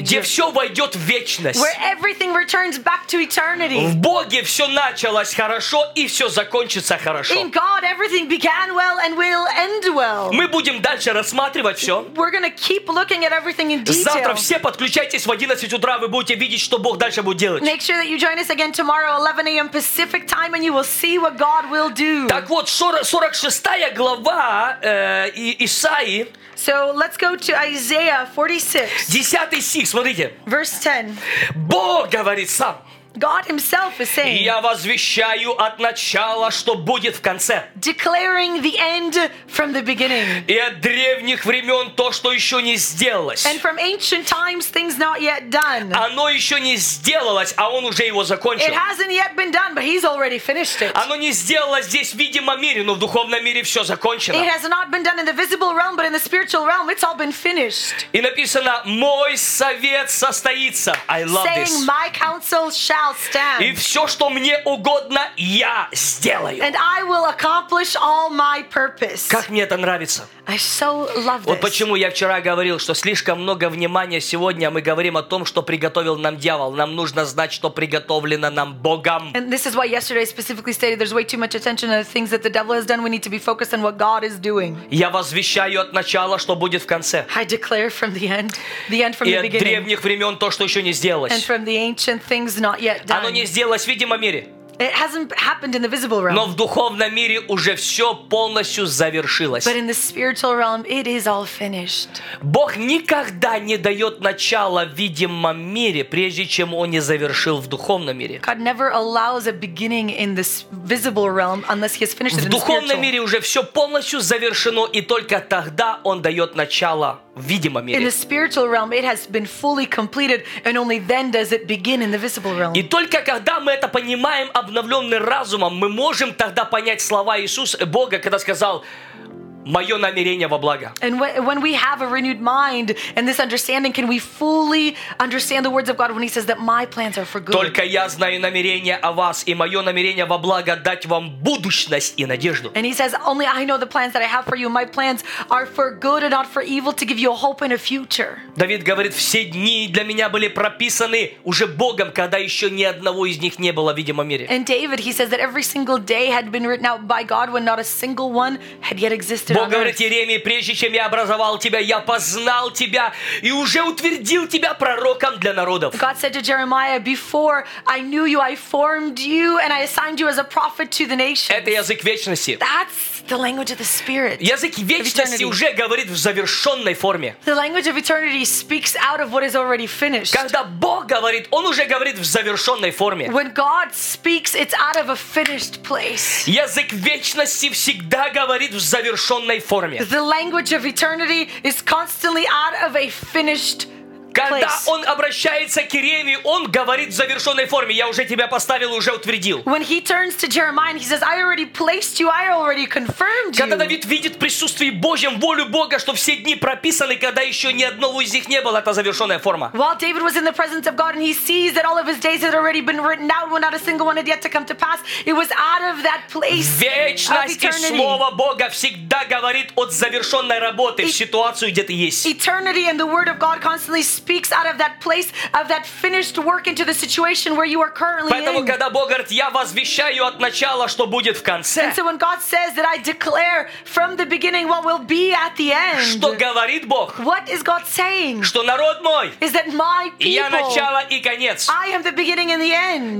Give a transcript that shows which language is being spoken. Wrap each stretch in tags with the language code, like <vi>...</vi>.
<ru>Где все войдет в вечность.</ru> <en>Where everything returns back to eternity.</en> <ru>В Боге все началось хорошо и все закончится хорошо.</ru> <en>In God, everything began well and will end well.</en> <ru>Мы будем дальше рассматривать все.</ru> <en>We're gonna keep looking at everything in detail.</en> <ru>Завтра все подключайтесь в 11 утра, вы будете видеть, что Бог дальше будет делать.</ru> <en>Make sure that you join us again tomorrow, 11 a.m. Pacific time, and you will see what God will do.</en> <ru>Так вот, 46 глава Исаии.</ru> <en>So let's go to Isaiah 46.</en> <ru>10 стих, смотрите.</ru> <en>Verse 10.</en> <ru>Бог говорит сам.</ru> <en>God himself is saying,</en> <ru>я возвещаю от начала, что будет в конце.</ru> <en>Declaring the end from the beginning.</en> <ru>И от древних времен то, что еще не сделалось.</ru> <en>And from ancient times, things not yet done.</en> <ru>Оно еще не сделалось, а он уже его закончил.</ru> <en>It hasn't yet been done, but he's already finished it.</en> <ru>Оно не сделалось здесь в видимом мире, но в духовном мире все закончено.</ru> <en>It has not been done in the visible realm, but in the spiritual realm, it's all been finished.</en> <ru>И написано, мой совет состоится.</ru> <en>I love saying, this. My counsel shall stand.</en> <ru>И все, что мне угодно, я сделаю.</ru> <en>And I will accomplish all my purpose.</en> <ru>Как мне это нравится.</ru> <en>I so love this.</en> <ru>Вот почему я вчера говорил, что слишком много внимания сегодня мы говорим о том, что приготовил нам дьявол. Нам нужно знать, что приготовлено нам Богом.</ru> <en>And this is why yesterday I specifically stated there's way too much attention on the things that the devil has done. We need to be focused on what God is doing.</en> <ru>Я возвещаю от начала, что будет в конце.</ru> <en>I declare from the end. The end from the beginning.</en> <ru>И от древних времен то, что еще не сделалось.</ru> <en>And from the ancient things not yet done.</en> <ru>Оно не сделалось в видимом мире.</ru> <en>It hasn't happened in the visible realm.</en> <ru>Но в духовном мире уже все полностью завершилось.</ru> <en>But in the spiritual realm, it is all finished.</en> <ru>Бог никогда не дает начало в видимом мире, прежде чем он не завершил в духовном мире.</ru> <en>God never allows a beginning in this visible realm unless he has finished it in the spiritual.</en> <ru>В духовном мире уже все полностью завершено, и только тогда он дает начало.</ru> <en>In the spiritual realm, it has been fully completed, and only then does it begin in the visible realm.</en> <ru>И только когда мы это понимаем обновленным разумом, мы можем тогда понять слова Иисуса Бога, когда сказал. Мое намерение во благо.</ru> <en>And when we have a renewed mind and this understanding, can we fully understand the words of God when he says that my plans are for good?</en> <ru>Только я знаю намерение о вас, и мое намерение во благо дать вам будущность и надежду.</ru> <en>And he says, only I know the plans that I have for you. My plans are for good and not for evil, to give you a hope and a future.</en> <ru>Давид говорит, все дни для меня были прописаны уже Богом, когда еще ни одного из них не было в видимом мире.</ru> <en>And David, he says that every single day had been written out by God when not a single one had yet existed.</en> <ru>Бог говорит Иеремии, прежде чем я образовал тебя, я познал тебя и уже утвердил тебя пророком для народов.</ru> <en>God said to Jeremiah, before I knew you, I formed you and I assigned you as a prophet to the nations.</en> <ru>Это язык вечности.</ru> <en>That's the language of the spirit.</en> <ru>Язык вечности уже говорит в завершенной форме.</ru> <en>The language of eternity speaks out of what is already finished.</en> <ru>Когда Бог говорит, он уже говорит в завершенной форме.</ru> <en>When God speaks, it's out of a finished place.</en> <ru>Язык вечности всегда говорит в завершенной форме.</ru> <en>The language of eternity is constantly out of a finished place.</en> <ru>Когда он обращается к Иеремии, он говорит в завершенной форме. Я уже тебя поставил, уже утвердил.</ru> <en>When he turns to Jeremiah, he says, I already placed you, I already confirmed you.</en> <ru>Когда Давид видит в присутствии Божьем волю Бога, что все дни прописаны, когда еще ни одного из них не было, это завершенная форма.</ru> <en>While David was in the presence of God and he sees that all of his days had already been written out, when not a single one had yet to come to pass, it was out of that place.</en> <ru>Вечность и слово Бога всегда говорит от завершенной работы в ситуацию, где ты есть.</ru> <en>Eternity and the word of God constantly speaks out of that place of that finished work into the situation where you are currently in.</en> <ru>Поэтому, когда Бог говорит, я возвещаю от начала, что будет в конце.</ru> <en>And so when God says that I declare from the beginning what will be at the end.</en> <ru>Что говорит Бог?</ru> <en>What is God saying?</en> <ru>Что народ мой?</ru> <en>Is that my people?</en> <ru>Я начало и конец.</ru> <en>I am the beginning and the end.</en>